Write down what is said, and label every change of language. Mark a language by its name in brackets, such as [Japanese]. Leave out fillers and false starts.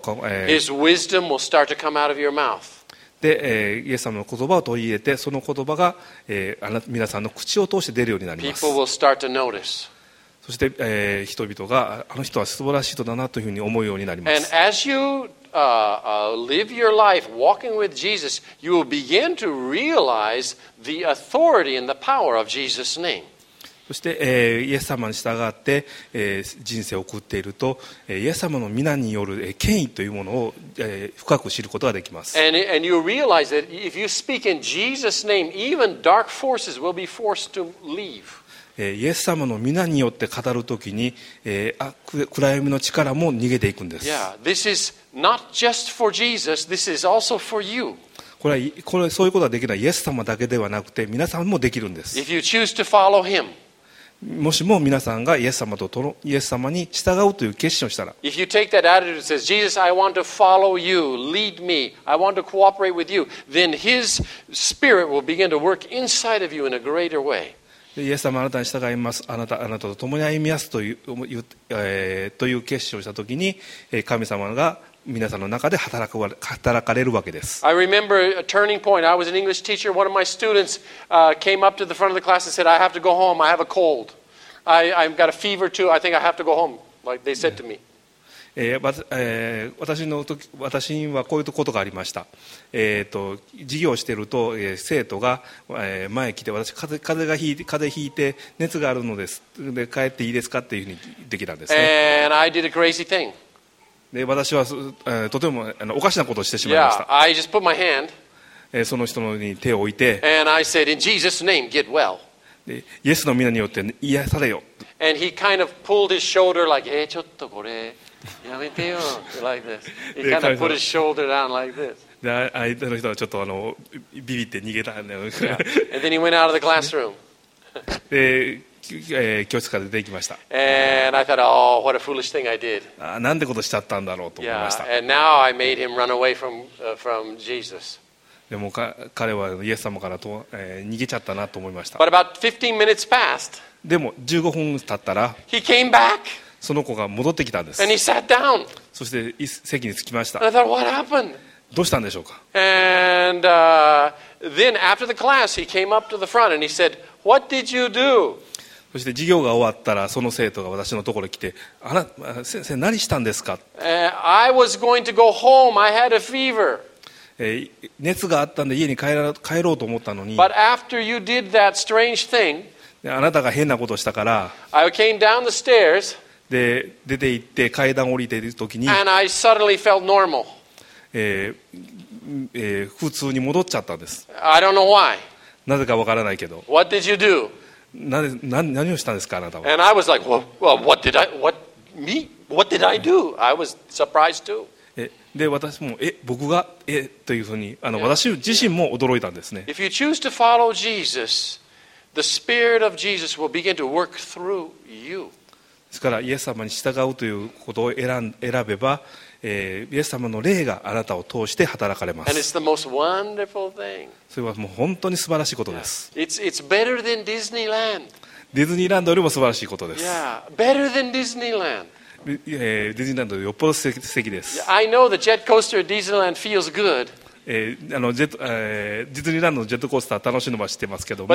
[English] His wisdom will start to come out of your mouth. [Japanese] で、イエス様の言葉を取り入れて、その言葉が、皆さんの口を通して出るようになります。 [English] People will start to notice. [Japanese] そして、人々が、あの人は素晴らしい人だなというふうに思うようになります。 [English] And as you, live your life walking with Jesus, you will begin to realize the authority and the power of Jesus' name. [Japanese] そして、イエス様に従って、人生を送っていると、イエス様の皆による、権威というものを、深く知ることができます。 [English] And you realize that if you speak in Jesus' name, even dark forces will be forced to leave. [Japanese] イエス様の皆によって語るときに、暗闇の力も逃げていくんです。 [English] Yeah, this is not just for Jesus, this is also for you. [Japanese] これそういうことができないイエス様だけではなくて皆さんもできるんです。 [English] If you choose to follow him, [Japanese] もしも皆さんがイエス様とイエス様に従うという決心をしたら、 [English] If you take that attitude and says, Jesus, I want to follow you, lead me, I want to cooperate with you, then his spirit will begin to work inside of you in a greater way. [Japanese] イエス様あなたに従います、あなたと共に歩みますという決心をしたときに、神様が皆さんの中で働かれるわけです。 [English] I remember a turning point. I was an English teacher. One of my students, came up to the front of the class and said, I have to go home. I have a cold. I've got a fever too. I think I have to go home. Like they said to me. [Japanese] 私にはこういうことがありました。授業をしていると、生徒が、前に来て、私風邪ひいて熱があるのです。で帰っていいですかっていうふうに言ってきたんですね。 [English] And I did a crazy thing. [Japanese] で私はとてもおかしなことをしてしまいました。 [English] Yeah, I just put my hand, [Japanese] その人に手を置いて、 [English] And I said, In Jesus' name, get well. [Japanese] でイエスの皆によって癒されよ。 [English] And he kind of pulled his shoulder like, hey, [Japanese] ちょっとこれやめてよ [English] like this. He kind of put his shoulder down like this. [Japanese] で相手の人はちょっとビビって逃げた。 [English] Yeah. And then he went out of the classroom. [Japanese] で教室から出て行きました。 [English] And I thought, oh, what a foolish thing I did. [Japanese] なんてことしちゃったんだろうと思いました。 [English] Yeah, and now I made him run away from Jesus. [Japanese] でも彼はイエス様から逃げちゃったなと思いました。 [English] But about 15 minutes passed. [Japanese] でも15分経ったら、 [English] He came back. [Japanese] その子が戻ってきたんです。 [English] And he sat down. [Japanese] そして席に着きました。 [English] And I thought, what happened? [Japanese] どうしたんでしょうか。 [English] And then after the class, he came up to the front and he said, what did you do? [Japanese] そして授業が終わったらその生徒が私のところに来て、あら先生何したんですか。 [English] I was going to go home. I had a fever. [Japanese] 熱があったんで家に帰ろうと思ったのに、 [English] But after you did that strange thing, [Japanese] あなたが変なことをしたから、 [English] I came down the stairs, [Japanese] で出て行って階段降りている時に、 [English] And I suddenly felt normal. [Japanese] 普通に戻っちゃったんです。 [English] I don't know why. [Japanese] なぜかわからないけど。 [English] What did you do? [Japanese] 何をしたんですか、あなたは。 [English] And I was like, what did I do? I was surprised too. [Japanese] で私も僕がというふうに私自身も驚いたんですね。 [English] If you choose to follow Jesus, the Spirit of Jesus will begin to work through you. [Japanese] ですからイエス様に従うということを選べば、イエス様の霊があなたを通して働かれます。 [English] And it's the most wonderful thing. [Japanese] それはもう本当に素晴らしいことです。 [English] It's better than Disneyland. [Japanese] ディズニーランドよりも素晴らしいことです。 [English] Yeah, better than Disneyland. [Japanese] ディズニーランドよっぽど素敵です。 [English] I know the jet coaster at Disneyland feels good. [Japanese] ディズニーランドのジェットコースター楽しいのは知ってますけども。